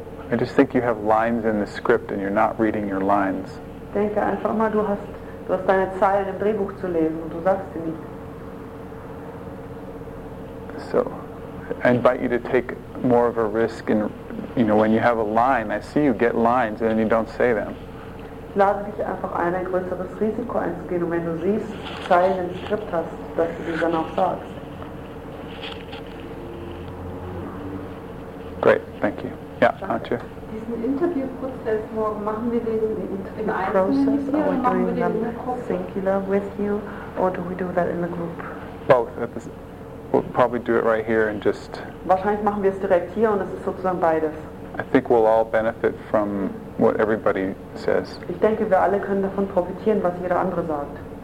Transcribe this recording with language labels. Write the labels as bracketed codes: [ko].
[en] I just think you have lines in the script and you're not reading your lines. [de] Denke einfach mal, du hast deine Zeilen im Drehbuch zu lesen und du sagst sie nicht. [en] So, I invite you to take more of a risk in, you know, when you have a line, I see you get lines and then you don't say them. [de] Ich lade dich einfach ein, ein größeres Risiko einzugehen, und wenn du siehst, Zeilen im Skript hast, dass du sie dann auch sagst. [en] Great, thank you. Yeah, aren't you? [de] Diesen Interviewprozess, wo machen wir den [en] in the process, are we doing them singular with you, or do we do that in a group? Both. We'll probably do it right here and just. [de] Wahrscheinlich machen wir es direkt hier und es ist sozusagen beides. [en] I think we'll all benefit from what everybody says. [de] Ich denke, wir alle können davon profitieren, was jeder andere sagt.